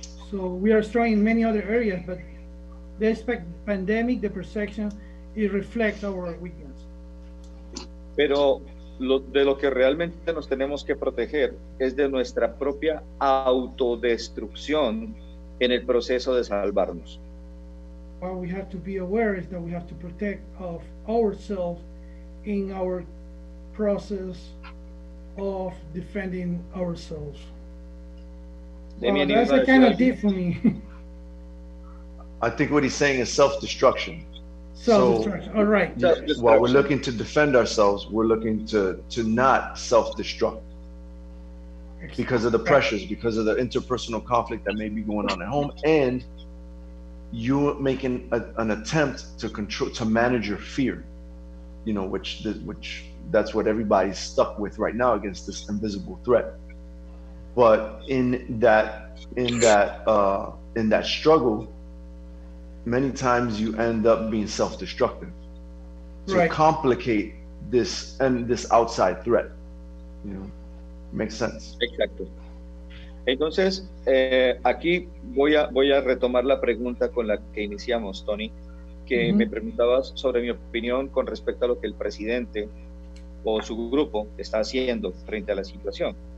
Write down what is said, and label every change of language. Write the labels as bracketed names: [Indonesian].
[English] So we are strong in many other areas, but this pandemic, the perception, it reflects our weakness. [Spanish] Pero de lo que realmente nos tenemos que proteger es de nuestra propia autodestrucción en el proceso de salvarnos. [English] What we have to be aware is that we have to protect of ourselves in our process of defending ourselves. That's a kind of deep for me. I think what he's saying is self-destruction. So, all right. While we're looking to defend ourselves, we're looking to not self-destruct because of the pressures, because of the interpersonal conflict that may be going on at home, and you making an attempt to control, to manage your fear, you know, which that's what everybody's stuck with right now against this invisible threat. But in that struggle, many times you end up being self-destructive to complicate this and this outside threat. You know, makes sense. [Spanish] Exacto. Entonces, aquí voy a retomar la pregunta con la que iniciamos, Tony, que me preguntabas sobre mi opinión con respecto a lo que el presidente o su grupo está haciendo frente a la situación.